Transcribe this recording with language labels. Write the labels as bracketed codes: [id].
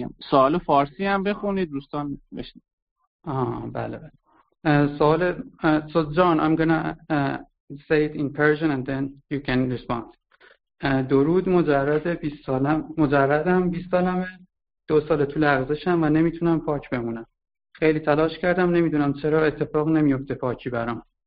[fa] سوال فارسی هم بخونید دوستان بشنوید. [en] سوال so John, I'm going to say it in Persian and then you can respond. [fa] درود، مجرد 20 سالم، مجردم 20 سالمه، 2 سال تو لغزشم و نمیتونم پاک بمونم. خیلی تلاش کردم، نمیدونم چرا اتفاق نمیفته پاکی برام.